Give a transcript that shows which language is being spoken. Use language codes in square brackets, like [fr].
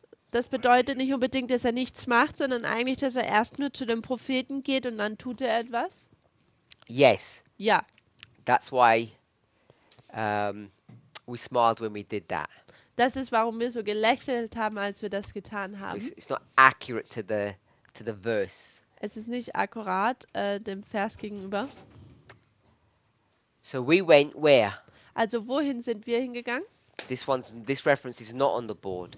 [de] Das bedeutet nicht unbedingt, dass er nichts macht, sondern eigentlich, dass er erst nur zu dem Propheten geht und dann tut er etwas. [en] Yes. [de] Ja. [en] That's why we smiled when we did that. [de] Das ist, warum wir so gelächelt haben, als wir das getan haben. [en] It's not accurate to the verse. [de] Es ist nicht akkurat dem Vers gegenüber. [en] So we went where? [de] Also wohin sind wir hingegangen? [en] This reference is not on the board.